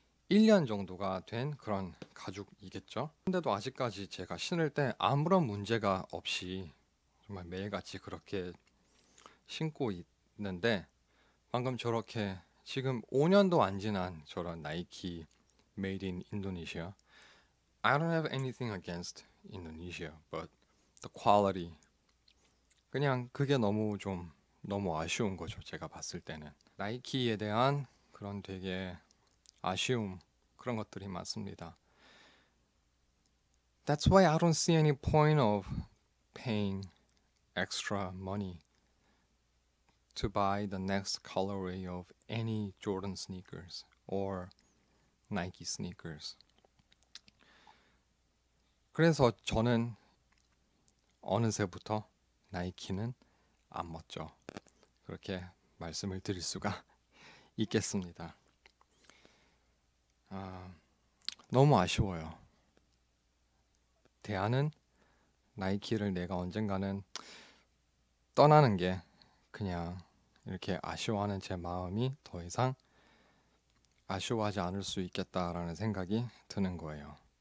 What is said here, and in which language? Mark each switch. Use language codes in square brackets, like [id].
[ko] 1년 정도가 된 그런 가죽이겠죠. 근데도 아직까지 제가 신을 때 아무런 문제가 없이 정말 매일같이 그렇게 신고 있는데, 방금 저렇게 지금 5년도 안 지난 저런 나이키 [en] Made in Indonesia, I don't have anything against Indonesia, but the quality, [ko] 그냥 그게 너무 좀 너무 아쉬운 거죠. 제가 봤을 때는 나이키에 대한 그런 되게 아쉬움, 그런 것들이 많습니다. [en] That's why I don't see any point of paying extra money to buy the next colorway of any Jordan sneakers or Nike sneakers. [ko] 그래서 저는 어느새부터 나이키는 안 멋져, 그렇게 말씀을 드릴 수가 있겠습니다. 아, 너무 아쉬워요. 대안은 나이키를 내가 언젠가는 떠나는 게, 그냥 이렇게 아쉬워하는 제 마음이 더 이상 아쉬워하지 않을 수 있겠다라는 생각이 드는 거예요.